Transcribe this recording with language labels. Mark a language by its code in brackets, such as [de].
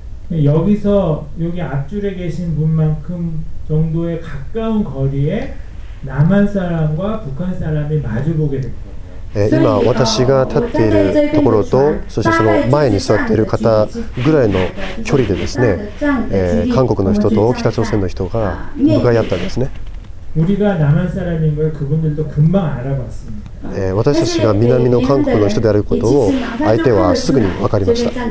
[ko] 여기서 여기 앞줄에 계신 분만큼 정도의 가까운 거리에 남한 사람과 북한 사람이 마주보게 됩니다. [ja] 今私が立っているところとそしてその前に座っている方ぐらいの距離でですね、韓国の人と北朝鮮の人が向かい合ったんですね。 [ko] 우리가 남한 사람인 걸 그분들도 금방 알아봤습니다. [ja] 私たちが南の韓国の人であることを相手はすぐに分かりました。